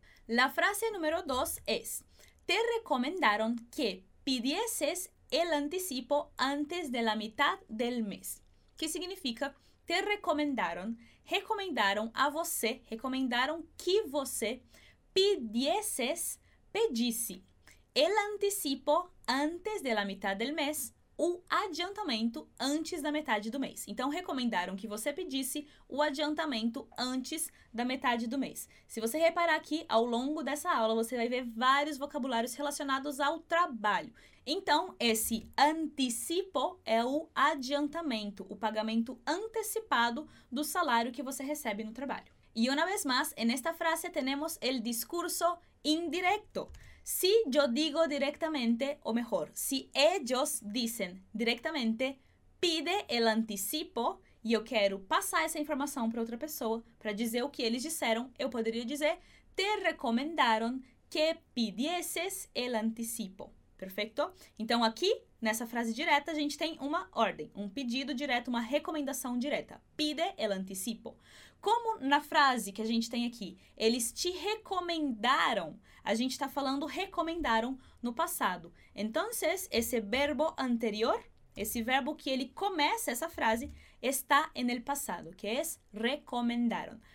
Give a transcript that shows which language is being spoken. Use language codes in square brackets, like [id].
[es] La frase número 2 es: te recomendaron que pidieses el anticipo antes de la mitad del mes. [pt] Que significa te recomendaram, recomendaram a você, recomendaram que você pidieses, pedisse [es] el anticipo antes de la mitad del mes, [pt] o adiantamento antes da metade do mês. Então, recomendaram que você pedisse o adiantamento antes da metade do mês. Se você reparar aqui, ao longo dessa aula, você vai ver vários vocabulários relacionados ao trabalho. Então, esse anticipo é o adiantamento, o pagamento antecipado do salário que você recebe no trabalho. E, uma vez mais, [es] en esta frase tenemos el discurso indirecto. Si yo digo directamente, o mejor, si ellos dicen directamente, pide el anticipo, y yo quiero pasar esa información para otra persona, para decir lo que ellos dijeron, yo podría decir, te recomendaron que pidieses el anticipo. Perfecto? [pt] Então, aqui, nessa frase direta, a gente tem uma ordem, um pedido direto, uma recomendação direta. [es] Pide el anticipo. [pt] Como na frase que a gente tem aqui, eles te recomendaram, a gente está falando recomendaram no passado. Então, esse verbo anterior, esse verbo que ele começa essa frase, está en el passado, que é recomendaram.